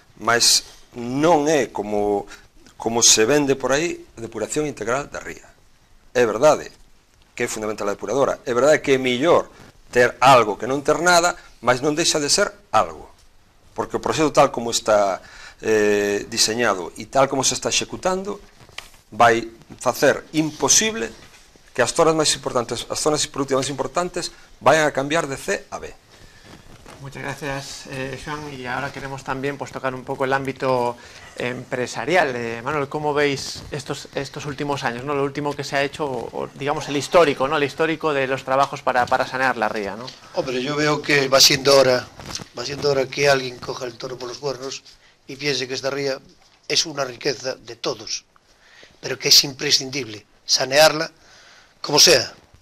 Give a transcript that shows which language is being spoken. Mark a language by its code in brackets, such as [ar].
[gl] Mas non é como se vende por aí depuración integral da ría. É verdade que é fundamental a depuradora. É verdade que é mellor ter algo que non ter nada, mas non deixa de ser algo. Porque o proxecto tal como está diseñado e tal como se está executando, vai facer imposible que as zonas máis importantes, as zonas productivas máis importantes, vayan a cambiar de C a B. [es] Muchas gracias, Xoán. Y ahora queremos también pues, tocar un poco el ámbito empresarial. Manuel, ¿cómo veis estos últimos años? ¿No? Lo último que se ha hecho, o, digamos, el histórico, ¿no? El histórico de los trabajos para sanear la ría, ¿no? Hombre, yo veo que va siendo hora que alguien coja el toro por los cuernos y piense que esta ría es una riqueza de todos, pero que es imprescindible sanearla como sea.